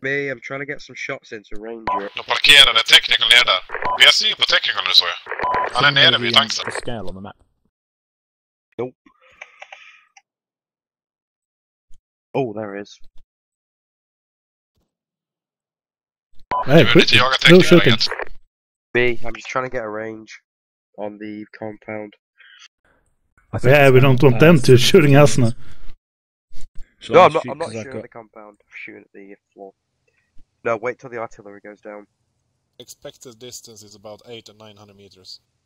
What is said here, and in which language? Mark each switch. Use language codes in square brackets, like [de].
[en] I'm trying to get some shots into range. [sv] De parkerade tekniken nere där. Vi har syn på tekniken nu, såg jag. Han är nere vid tanken. [en] Scale on the map. Nope. Oh, there is. [sv] Nej, du vill inte jaga tekniken. [en] B, I'm just trying to get a range on the compound. Yeah, we don't want them to shooting us now. No, I'm not shooting at the compound. I'm shooting at the floor. No, wait till the artillery goes down. Expected distance is about 800-900 meters.